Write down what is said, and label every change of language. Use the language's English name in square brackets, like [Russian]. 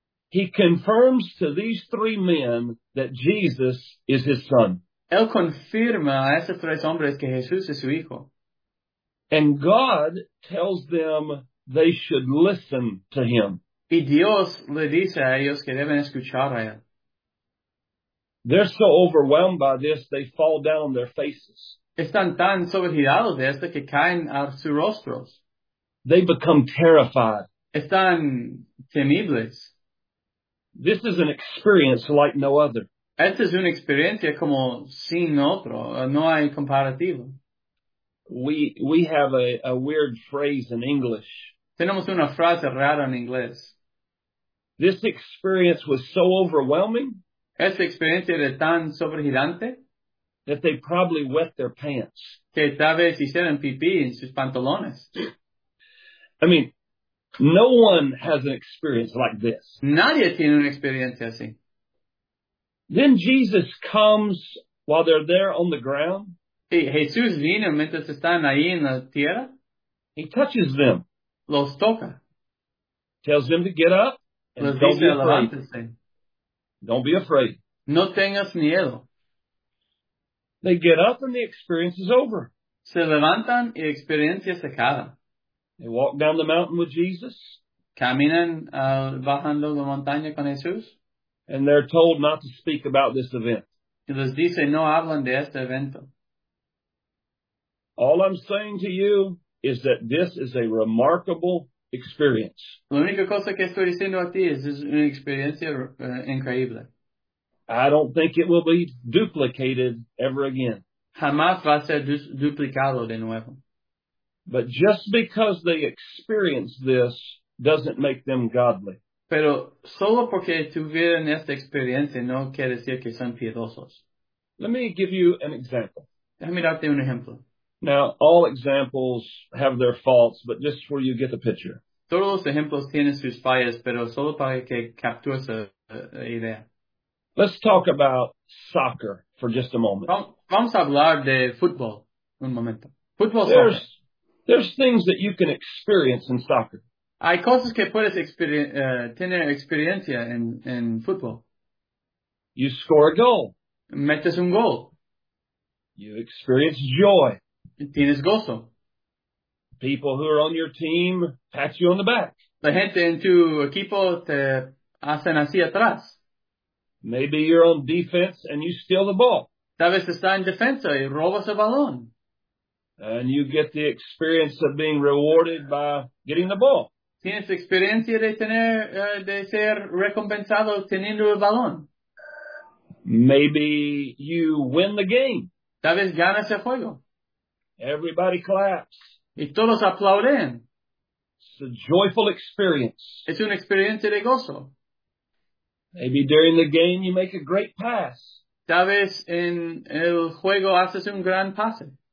[English] He confirms to these three men that Jesus is his son. [Spanish] Él confirma a esos tres hombres que Jesús es su hijo. [English] And God tells them they should listen to him. [Spanish] Y Dios le dice a ellos que deben escuchar a él. [English] They're so overwhelmed by this, they fall down on their faces. [Spanish] Están tan sobregirados de esto que caen a sus rostros. [English] They become terrified. [Spanish] Están temibles. [English] This is an experience like no other. [Spanish] Esta es una experiencia como sin otro. No hay comparativo. [English] We have a weird phrase in English. [Spanish] Tenemos una frase rara en inglés. [English] This experience was so overwhelming. [Spanish] Esta experiencia era tan sobregirante. [English] That they probably wet their pants. [Spanish] Que tal vez hicieron pipí en sus pantalones. [English] I mean, no one has an experience like this. [Spanish] Nadie tiene una experiencia así. [English] Then Jesus comes while they're there on the ground. [Spanish] Y Jesús viene mientras están ahí en la tierra. [English] He touches them. [Spanish] Los toca. [English] Tells them to get up. And don't be afraid. [Spanish] No tengas miedo. [English] They get up and the experience is over. [Spanish] Se levantan y experiencia se acaba. [English] They walk down the mountain with Jesus. [Spanish] Caminan bajando la montaña con Jesús. [English] And they're told not to speak about this event. [Spanish] Y les dice no hablan de este evento. [English] All I'm saying to you is that this is a remarkable experience. [Spanish] La única cosa que estoy diciendo a ti es una experiencia increíble. [English] I don't think it will be duplicated ever again. [Spanish] Jamás va a ser duplicado de nuevo. [English] But just because they experience this doesn't make them godly. [Spanish] Pero solo porque tuvieron esta experiencia no quiere decir que son piedosos. [English] Let me give you an example. [Spanish] Déjame darte un ejemplo. [English] Now, all examples have their faults, but just where you get the picture. [Spanish] Todos los ejemplos tienen sus fallas, pero solo para que captures la idea. [English] Let's talk about soccer for just a moment. [Spanish] Vamos a hablar de fútbol un momento. Fútbol, [English] there's, soccer. There's things that you can experience in soccer. [Spanish] Hay cosas que puedes tener experiencia en fútbol. [English] You score a goal. [Spanish] Metes un gol. [English] You experience joy. [Spanish] Tienes gozo. [English] People who are on your team pat you on the back. [Spanish] La gente en tu equipo te hacen así atrás. [English] Maybe you're on defense and you steal the ball. [Spanish] Tal vez estás en defensa y robas el balón. [English] And you get the experience of being rewarded by getting the ball. [Spanish] Tienes experiencia de tener de ser recompensado teniendo el balón. [English] Maybe you win the game. [Spanish] Tal vez ganas el juego. [English] Everybody claps. [Spanish] Y todos aplauden. [English] It's a joyful experience. [Spanish] Es una experiencia de gozo. [English] Maybe during the game you make a great pass. [Spanish] Tal vez en el juego haces un gran pase.